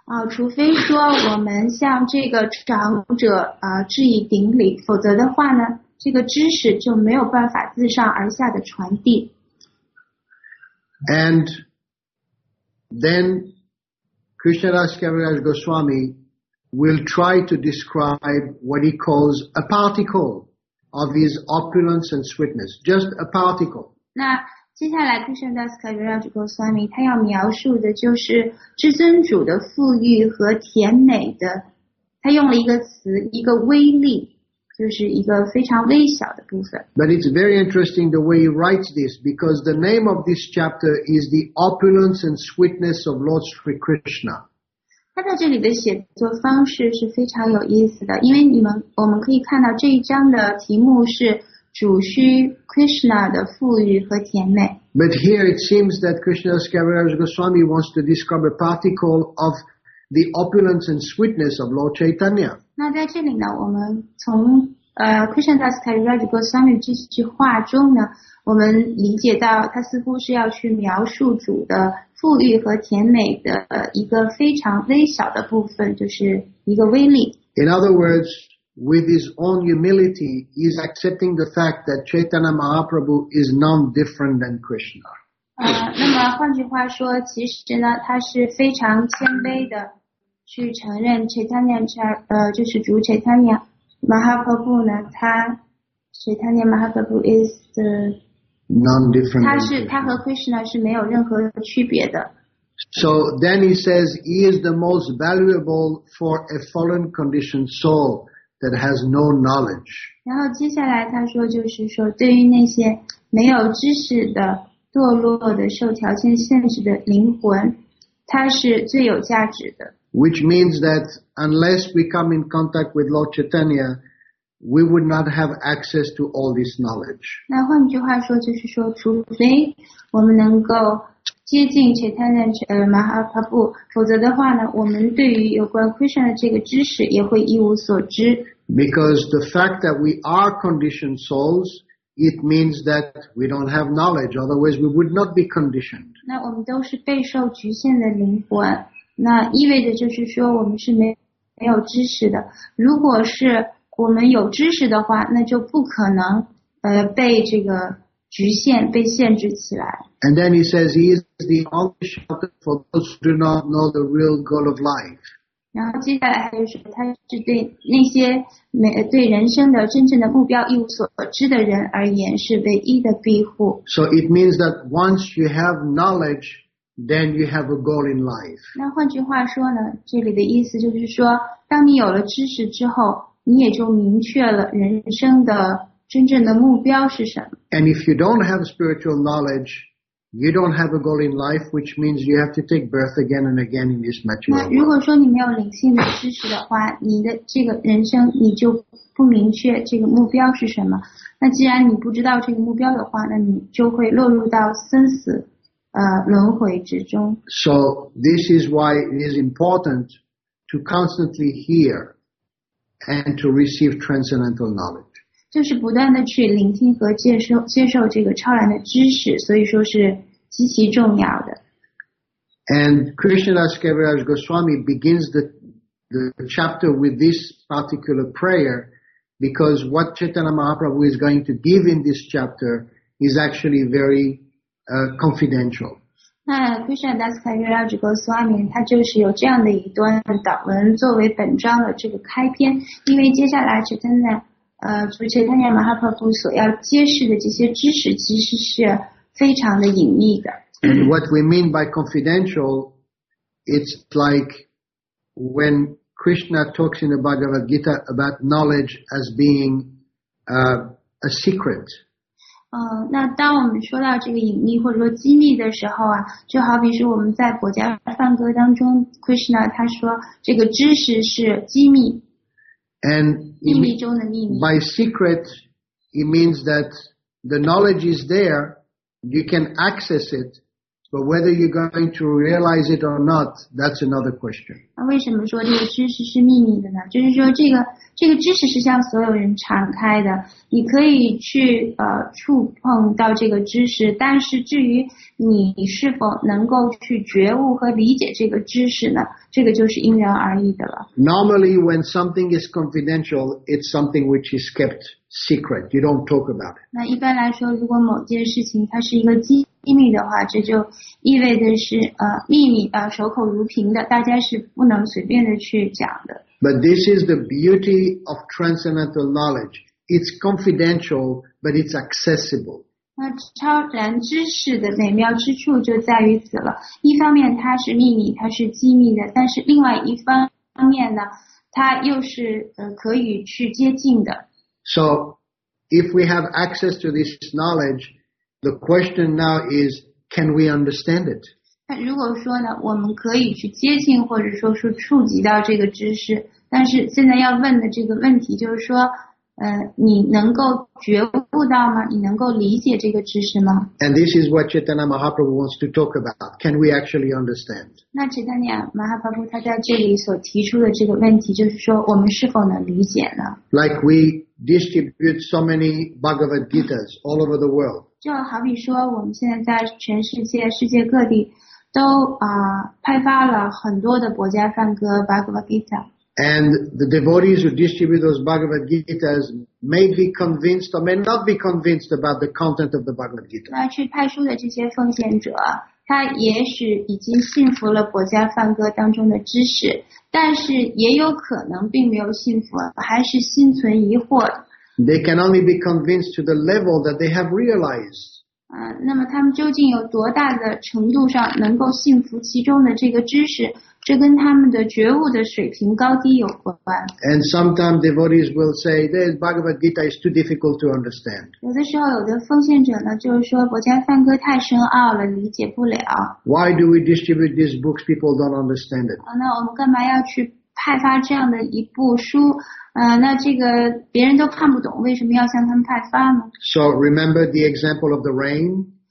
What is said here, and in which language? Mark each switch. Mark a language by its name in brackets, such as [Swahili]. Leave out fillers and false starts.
[Chinese] 除非说我们向这个长者致以顶礼，否则的话呢，这个知识就没有办法自上而下的传递。 [English] And then Krishnadas Kaviraj Goswami will try to describe what he calls a particle of his opulence and sweetness, just a particle. [Chinese] 那接下来 Krishnadas Kaviraj Goswami 他要描述的就是至尊主的富裕和甜美的，他用了一个词，一个威力，就是一个非常微小的部分。 [English] But it's very interesting the way he writes this, because the name of this chapter is the opulence and sweetness of Lord Sri Krishna. [Chinese] 他在这里的写作方式是非常有意思的，因为我们可以看到这一章的题目是主须 Krishna 的富裕和甜美。 [English] But here it seems that Krishnadas Kaviraj Goswami wants to describe a particle of the opulence and sweetness of Lord Chaitanya. [Chinese] 那在这里呢，我们从Krishnadas Kaviraj Goswami 这句话中呢，我们理解到他似乎是要去描述主的富裕和甜美的一个非常微小的部分，就是一个威力。 [English] In other words,with his own humility, he is accepting the fact that Chaitanya Mahaprabhu is none different than Krishna. [Chinese] 那么换句话说，其实呢，他是非常谦卑的，去承认 Chaitanya 就是主 Chaitanya Mahaprabhu 呢，他 [English] Chaitanya Mahaprabhu is the none different. [Chinese] 他和 Krishna 是没有任何区别的。 [English] So then he says he is the most valuable for a fallen conditioned soul. That has no knowledge. [Chinese] 然后接下来他说就是说，对于那些没有知识的、堕落的、受条件限制的灵魂，它是最有价值的。 [English] Which means that unless we come in contact with Lord Chaitanya, we would not have access to all this knowledge. [Chinese] 那换句话说就是说，除非我们能够接近 Chaitanya Mahaprabhu, 否则的话呢，我们对于有关 Krishna 的这个知识也会一无所知。 [English] Because the fact that we are conditioned souls, it means that we don't have knowledge, otherwise we would not be conditioned. [Chinese] 那我们都是备受局限的灵魂，那意味着就是说我们是没有知识的。如果是我们有知识的话，那就不可能被这个局限，被限制起来。 [English] And then he says he is the only shelter for those who do not know the real goal of life. [Chinese] 然后接下来还有说，他是对那些对人生的真正的目标一无所知的人而言是唯一的庇护。 [English] So it means that once you have knowledge, then you have a goal in life. [Chinese] 那换句话说呢，这里的意思就是说，当你有了知识之后，你也就明确了人生的真正的目标是什么。 [English] And if you don't have spiritual knowledge,You don't have a goal in life, which means you have to take birth again and again in this material world. [Chinese] 如果说你没有灵性的知识的话，你的这个人生你就不明确这个目标是什么。那既然你不知道这个目标的话，那你就会落入到生死轮回之中。 [English] So this is why it is important to constantly hear and to receive transcendental knowledge. [Chinese] 就是不断的去聆听和接受这个超然的知识，所以说是极其重要的。 [English] And Krishnadas Kaviraj Goswami begins the the chapter with this particular prayer, because what Chaitanya Mahaprabhu is going to give in this chapter is actually very confidential. [Chinese] 那 Krishna Das Kaviraj Goswami 他就是有这样的一段祷文作为本章的这个开篇，因为接下来Chaitanya Chaitanya Mahaprabhu 所要揭示的这些知识其实是非常的隐秘的。 [English] And what we mean by confidential, it's like when Krishna talks in the Bhagavad Gita about knowledge as being a secret. [Chinese] 那当我们说到这个隐秘或者说机密的时候啊，就好比是我们在佛家梵歌当中 ，Krishna 他说这个知识是机密 [English] ，And [Chinese] 秘密中的秘密。 [English] By secret, it means that the knowledge is there, you can access it. But whether you're going to realize it or not, that's another question. [Chinese] 那为什么说这个知识是秘密的呢？就是说这个知识是向所有人敞开的，你可以去触碰到这个知识，但是至于你是否能够去觉悟和理解这个知识呢？这个就是因人而异的了。 [English] Normally, when something is confidential, it's something which is kept secret. You don't talk about it. [Chinese] 那一般来说，如果某件事情它是一个机秘密的话，这就意味着是秘密啊，守口如瓶的，大家是不能随便的去讲的。 [English] But this is the beauty of transcendental knowledge. It's confidential, but it's accessible. [Chinese] 那超然知识的美妙之处就在于此了。一方面它是秘密，它是机密的，但是另外一方面呢，它又是可以去接近的。 [English] So, if we have access to this knowledge. The question now is, can we understand it? [Chinese] 那如果说呢，我们可以去接近或者说是触及到这个知识，但是现在要问的这个问题就是说，你能够觉悟到吗？你能够理解这个知识吗？ [English] And this is what Chaitanya Mahaprabhu wants to talk about. Can we actually understand? [Chinese] 那 Chaitanya Mahaprabhu 他在这里所提出的这个问题就是说，我们是否能理解呢？ [English] Like we distribute so many Bhagavad Gitas all over the world. [Chinese] 就好比说，我们现在在全世界、世界各地都派发了很多的佛家梵歌 Bhagavad Gita. [English] And the devotees who distribute those Bhagavad Gitas may be convinced or may not be convinced about the content of the Bhagavad Gita. [Chinese] 那去派书的这些奉献者，他也许已经信服了佛家梵歌当中的知识，但是也有可能并没有信服，还是心存疑惑。 [English] They can only be convinced to the level that they have realized. [Chinese] 那么他们究竟有多大的程度上能够信服其中的这个知识，这跟他们的觉悟的水平高低有关。 [English] And sometimes devotees will say, "The Bhagavad Gita is too difficult to understand." [Chinese] 有的时候，有的奉献者呢，就是说，佛家梵歌太深奥了，理解不了。 [English] Why do we distribute these books? People don't understand it. [Chinese] 那我们干嘛要去派发这样的一部书？那这个别人都看不懂，为什么要向他们派发呢 [English] ？So remember the example of the rain.